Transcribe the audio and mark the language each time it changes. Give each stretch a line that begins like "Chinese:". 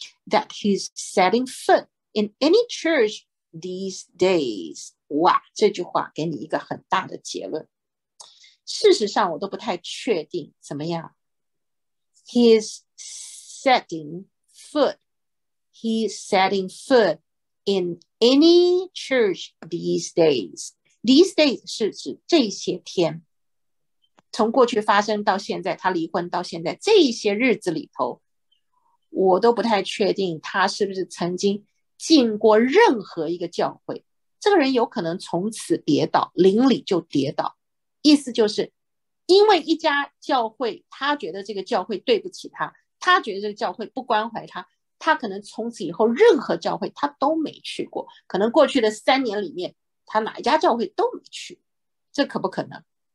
English: That he's setting foot in any church these days.
Chinese: 哇，这句话给你一个很大的结论。事实上我都不太确定怎么样？
English: He'sSetting foot, he's setting foot in any church these days. These days
Chinese: 是指这些天，从过去发生到现在，他离婚到现在这些日子里头，我都不太确定他是不是曾经进过任何一个教会。这个人有可能从此跌倒，邻里就跌倒，意思就是因为一家教会，他觉得这个教会对不起他，他觉得这个教会不关怀他，他可能从此以后任何教会他都没去过，可能过去的三年里面他哪一家教会都没去，这可不可能？